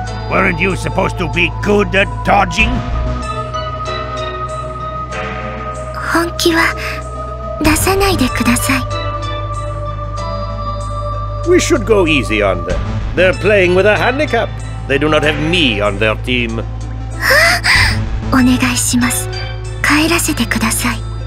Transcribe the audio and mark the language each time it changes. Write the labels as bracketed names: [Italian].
[English] Weren't you supposed to be good at dodging? [Japanese] 本気は 出さないでください。 [English] We should go easy on them. They're playing with a handicap. They do not have me on their team. [Japanese] お願いします。帰らせてください。